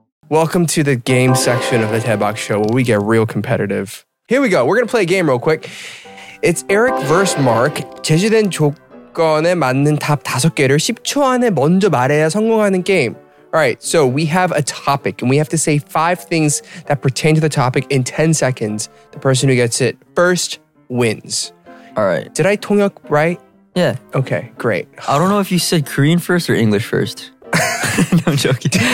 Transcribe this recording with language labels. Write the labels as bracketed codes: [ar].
[en] Welcome to the game section of the DAEBAK show where we get real competitive. Here we go. We're going to play a game real quick. It's Eric versus Mark. [ko] 제시된 조건에 맞는 답 5개를 10초 안에 먼저 말해야 성공하는 게임. [en] All right, so we have a topic and we have to say 5 things that pertain to the topic in 10 seconds. The person who gets it first wins. All right. Did I 통역 right? Yeah. Okay, great. I don't know if you said Korean first or English first. No, I'm joking.